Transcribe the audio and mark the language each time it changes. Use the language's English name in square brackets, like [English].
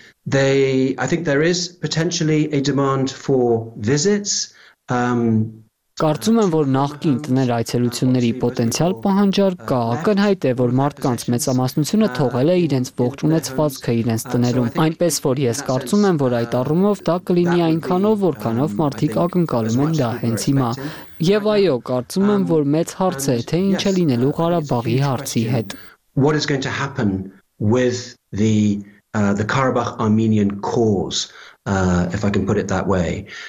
[English] I think there is potentially a demand for visits [Armenian] Կարծում եմ, որ նախկին տներ այցելությունների պոտենցիալ պահանջարկ կա, ակնհայտ է, որ մարդկանց մեծամասնությունը թողել է իրենց ողջ ունեցվածքը իրենց տներում, այնպես որ ես կարծում եմ, որ այդ առումով դա կլինի այնքանով, որքանով մարդիկ ակնկալում են դա հենց հիմա։ Եվ այո, կարծում եմ, որ մեծ հարց է, թե ինչ է լինելու Ղարաբաղի հարցի հետ։ [English] What is going to happen with the Karabakh Armenian cause, if I can put it that way?